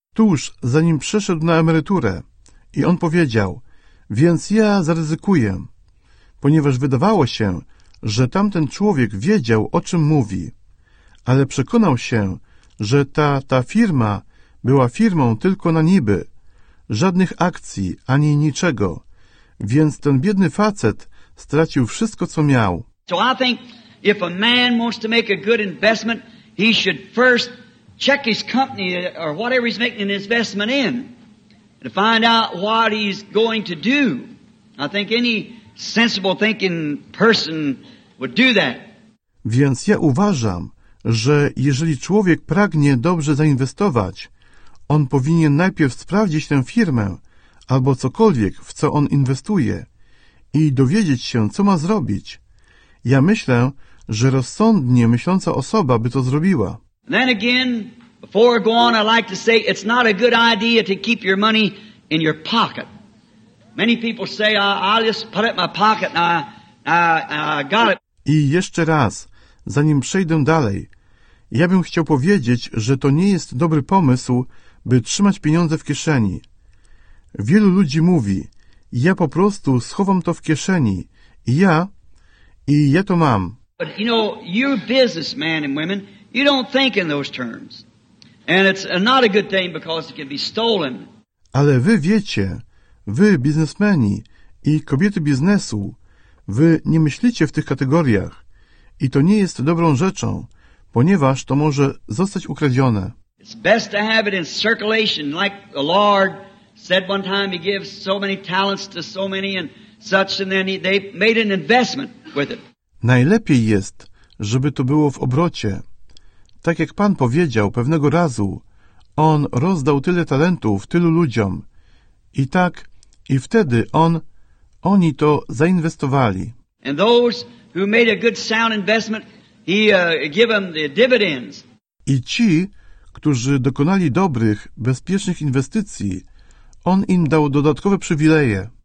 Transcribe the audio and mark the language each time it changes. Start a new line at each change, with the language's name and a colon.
Polish: Tuż zanim przeszedł na emeryturę, i on powiedział, więc ja zaryzykuję, ponieważ wydawało się, że tamten człowiek wiedział, o czym mówi, ale przekonał się, że ta firma była firmą tylko na niby, żadnych akcji ani niczego, więc ten biedny facet stracił wszystko, co miał.
English: So I think if a man wants to make a good investment, he should first check his company or whatever he's making an investment in to find out what he's going to do. I think any sensible thinking person would do that.
Polish: Więc ja uważam, że jeżeli człowiek pragnie dobrze zainwestować, on powinien najpierw sprawdzić tę firmę albo cokolwiek, w co on inwestuje, i dowiedzieć się, co ma zrobić. Ja myślę, że rozsądnie myśląca osoba by to zrobiła.
English: Then again, before I go on, I like to say it's not a good idea to keep your money in your pocket. Many people say I'll just put it in my pocket and I got it.
Polish: I jeszcze raz, zanim przejdę dalej, ja bym chciał powiedzieć, że to nie jest dobry pomysł, by trzymać pieniądze w kieszeni. Wielu ludzi mówi, ja po prostu schowam to w kieszeni. I ja to mam.
English: But you know, you businessmen and women, you don't think in those terms. And it's not a good thing because it can be stolen.
Polish: Ale wy wiecie, wy biznesmeni i kobiety biznesu, wy nie myślicie w tych kategoriach. I to nie jest dobrą rzeczą, ponieważ to może zostać ukradzione.
English: It's best to have it in circulation, like the Lord said one time he gives so many talents to so many and such, and then they made an investment with it.
Polish: Najlepiej jest, żeby to było w obrocie. Tak jak Pan powiedział pewnego razu, on rozdał tyle talentów tylu ludziom. I tak, i wtedy oni to zainwestowali.
English: And those who made a good sound investment, he gave them the dividends.
Polish: I ci, którzy dokonali dobrych, bezpiecznych inwestycji, on im dał dodatkowe przywileje.